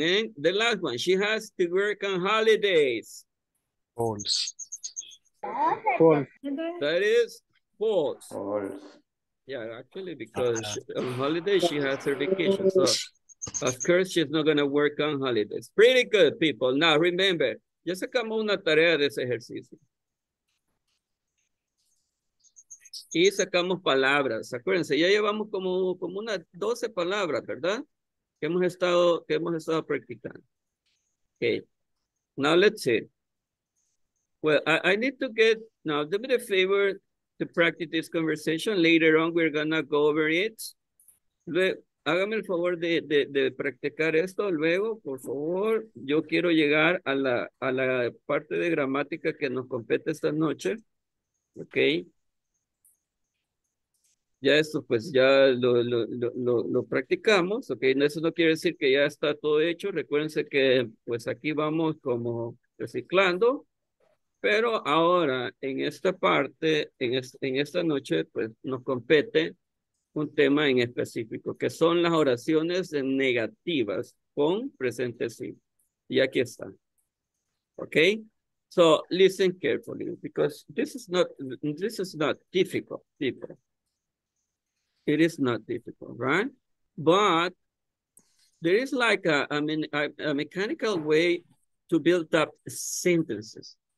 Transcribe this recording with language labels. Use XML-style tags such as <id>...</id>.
<en>And the last one, she has to work on holidays. False. That is false. False. Yeah, actually, because on holiday, she has her vacation. So of course, she's not going to work on holidays. Pretty good, people. Now, remember,</en> <es>ya sacamos una tarea de ese ejercicio. Y sacamos palabras. Acuérdense, ya llevamos como unas 12 palabras, ¿verdad? Que hemos estado practicando. Okay.</es> <en>Now let's see. Well, I need to get, now do me the favor to practice this conversation. Later on, we're gonna go over it.</en> <es>Hágame el favor de practicar esto luego, por favor. Yo quiero llegar a la parte de gramática que nos compete esta noche. Ok. Ya esto, pues, ya lo practicamos. Ok. Eso no quiere decir que ya está todo hecho. Recuérdense que, pues, aquí vamos como reciclando. Pero ahora, en esta parte, en esta noche, pues, nos compete un tema en específico, que son las oraciones negativas con presente simple. Y aquí está. Ok.</es> <en>So, listen carefully, because this is not difficult, people. It is not difficult, right? But there is like a mechanical way to build up sentences.</en>